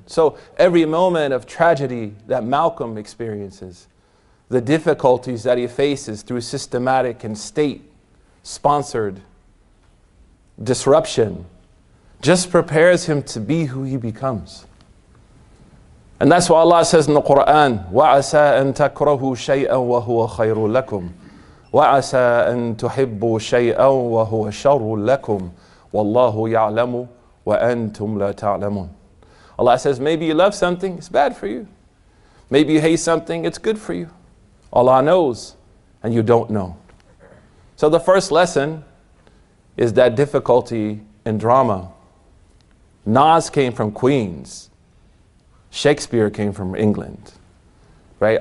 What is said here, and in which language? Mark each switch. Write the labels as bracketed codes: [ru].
[en] So every moment of tragedy that Malcolm experiences, the difficulties that he faces through systematic and state-sponsored disruption, just prepares him to be who he becomes. And that's why Allah says in the Quran, [ar] وَعَسَىٰ أَن تَكْرَهُ شَيْئًا وَهُوَ خَيْرٌ لَكُمْ وَعَسَىٰ أَن تُحِبُّ شَيْئًا وَهُوَ شَرٌ لَكُمْ وَاللَّهُ يَعْلَمُ وَأَنْتُمْ لَا تَعْلَمُونَ. [en] Allah says, maybe you love something, it's bad for you. Maybe you hate something, it's good for you. Allah knows, and you don't know. So the first lesson is that difficulty and drama. Nas came from Queens. Shakespeare came from England. Right?